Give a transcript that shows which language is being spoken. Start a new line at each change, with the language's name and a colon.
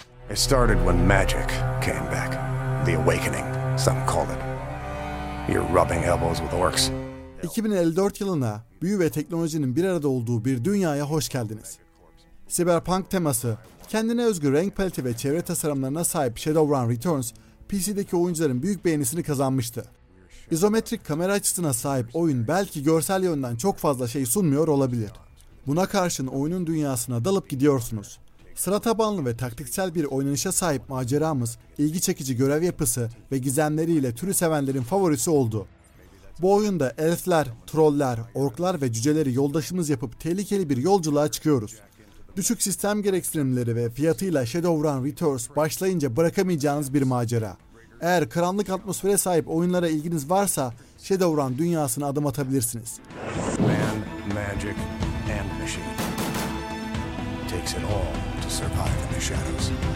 English: It started when magic came back. The awakening, some call it. You're rubbing elbows with orcs.
Turkish: 2054 yılına büyü ve teknolojinin bir arada olduğu bir dünyaya hoş geldiniz. Cyberpunk teması, kendine özgü renk paleti ve çevre tasarımlarına sahip Shadowrun Returns, PC'deki oyuncuların büyük beğenisini kazanmıştı. İzometrik kamera açısına sahip oyun belki görsel yönden çok fazla şey sunmuyor olabilir. Buna karşın oyunun dünyasına dalıp gidiyorsunuz. Sıra tabanlı ve taktiksel bir oynanışa sahip maceramız, ilgi çekici görev yapısı ve gizemleriyle türü sevenlerin favorisi oldu. Bu oyunda elfler, troller, orklar ve cüceleri yoldaşımız yapıp tehlikeli bir yolculuğa çıkıyoruz. Düşük sistem gereksinimleri ve fiyatıyla Shadowrun Returns başlayınca bırakamayacağınız bir macera. Eğer karanlık atmosfere sahip oyunlara ilginiz varsa Shadowrun dünyasına adım atabilirsiniz.
English: Man, magic and machine. Takes it all to survive in the shadows.